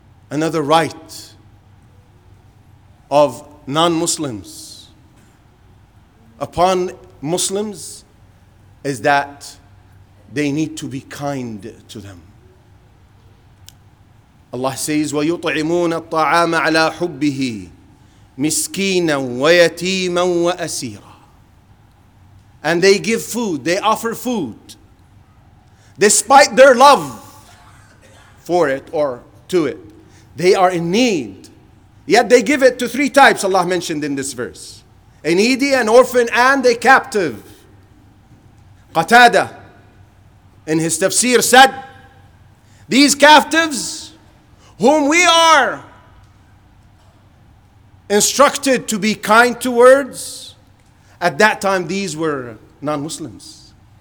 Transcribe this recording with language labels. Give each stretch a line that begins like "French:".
English: Another right of non-Muslims upon Muslims is that they need to be kind to them. Allah says,
Arabic: وَيُطْعِمُونَ الطَّعَامَ عَلَىٰ حُبِّهِ مِسْكِينًا وَيَتِيمًا وَأَسِيرًا.
English: And they give food, they offer food, despite their love for it or to it. They are in need. Yet they give it to three types Allah mentioned in this verse. A needy, an orphan, and a captive. Qatada, in his tafsir, said, these captives, whom we are instructed to be kind towards, at that time these were non-Muslims.